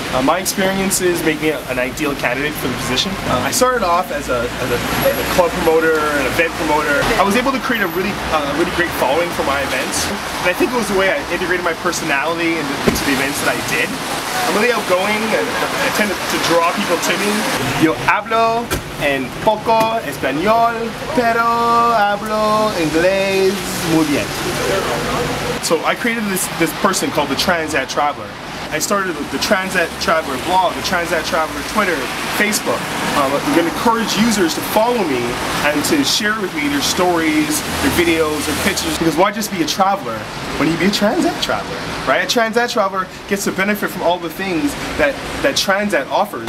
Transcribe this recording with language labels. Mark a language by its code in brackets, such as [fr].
[en] My experiences make me an ideal candidate for the position. I started off as a club promoter, an event promoter. I was able to create a really great following for my events. And I think it was the way I integrated my personality into the events that I did. I'm really outgoing and I tend to draw people to me. [es] Yo hablo en poco español, pero hablo inglés muy bien. [en] So I created this person called the Transat Traveler. I started the Transat Traveler blog, the Transat Traveler Twitter, Facebook. I'm going to encourage users to follow me and to share with me their stories, their videos, their pictures. Because why just be a traveler when you be a Transat Traveler, right? A Transat Traveler gets to benefit from all the things that Transat offers.